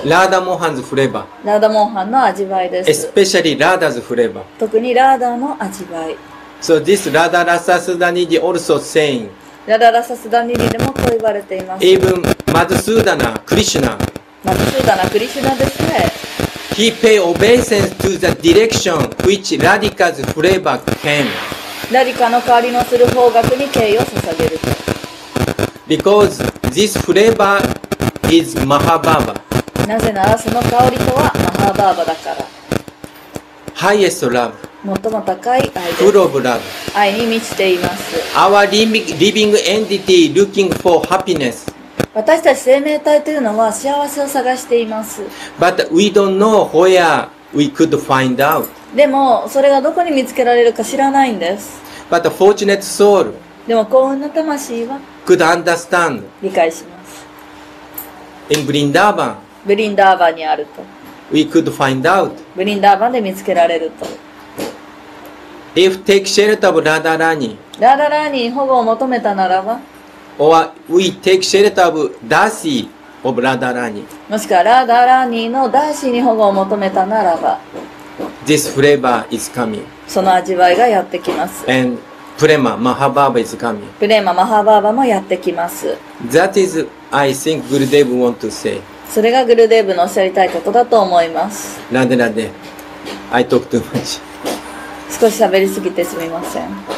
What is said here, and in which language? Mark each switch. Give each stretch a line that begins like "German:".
English: ラーダモーハンズフレーバー。
Japanese: ラーダモーハンの味わいです。
English: Especially ラーダズフレーバー。
Japanese: 特にラーダの味わい。
English: So this ラーダラサスダニディ also saying.
Japanese: ラーダラサスダニディでもこう言われています。
English: Even マズスーダナクリシュナ。
Japanese: マツスーダナクリシュナですね。
English: He pay obeisance to the direction which Radhika's flavor came.
Japanese: ラディカの代わりのする方角に敬意を捧げると。
English: Because this flavor is Mahabhava.
Japanese: なぜならその香りとはマハバーバだから。
English: Highest love.
Japanese: 最も高い愛です。
English: Full of love.
Japanese: 愛に満ちています。
English: Our living entity looking for happiness.
Japanese: 私たち生命体というのは幸せを探しています。
English: But we don't know where we could find out.
Japanese: でもそれがどこに見つけられるか知らないんです。
English: But a fortunate soul.
Japanese: でも幸運な魂は
English: could understand.
Japanese: 理解します。
English: In Vrindavan.
Japanese: ブリンダーバンにあると。
English: We could find out.
Japanese: ブリンダーバンで見つけられると。
English: If take shelter of Radha Rani.
Japanese: ラダラーニに保護を求めたならば。
English: Or we take shelter of Darcy of Radha Rani.
Japanese: もしくはラダラーニのダーシーに保護を求めたならば、
English: This flavor is coming.
Japanese: その味わいがやってきます。
English: And Prema Mahabhava is coming.
Japanese: Prema Mahabhava もやってきます。
English: That is, I think, Gurudev want to say.
Japanese: それがグルデーブのおっしゃりたいことだと思います。
English: ラデラデ、I talk too much.
Japanese: 少し喋りすぎてすみません。